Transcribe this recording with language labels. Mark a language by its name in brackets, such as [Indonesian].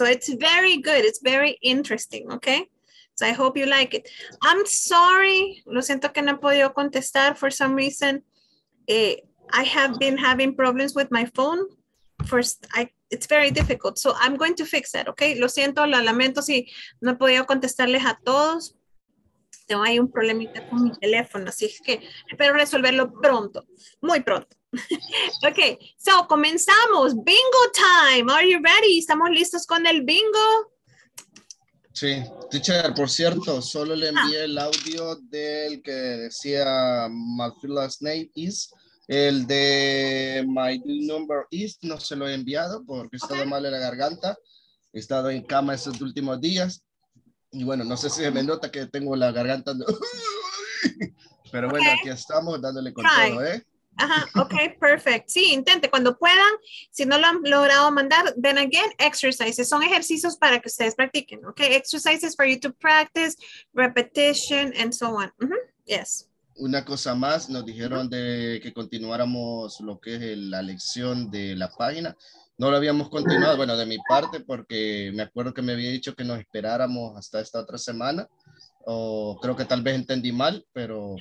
[English] So it's very good, it's very interesting, okay? So I hope you like it. I'm sorry, [Spanish] lo siento que no he podido contestar [English] for some reason. I have been having problems with my phone. It's very difficult, so I'm going to fix that, okay? [Spanish] Lo siento, lo lamento si no he podido contestarles a todos. Tengo ahí un problemita con mi teléfono, así que espero resolverlo pronto, muy pronto. [English] Okay, so comenzamos. Bingo time, are you ready? [Spanish] ¿Estamos listos con el bingo? Sí, teacher, por cierto, solo le envié el audio del que decía [English] my last name is. [Spanish] El de [English] my number is, [Spanish] no se lo he enviado porque he estado mal en la garganta. He estado en cama esos últimos días. Y bueno, no sé si me nota que tengo la garganta. Pero bueno, aquí estamos dándole con todo, ¿eh? [English] Ok, perfect. [Spanish] Sí, intente cuando puedan. Si no lo han logrado mandar, [English] then again, exercises. [Spanish] Son ejercicios para que ustedes practiquen, ¿ok? [English] Exercises for you to practice, repetition, and so on. Yes. [Spanish] Una cosa más, nos dijeron de que continuáramos lo que es la lección de la página. No lo habíamos continuado, bueno, de mi parte, porque me acuerdo que me había dicho que nos esperáramos hasta esta otra semana. O creo que tal vez entendí mal, pero...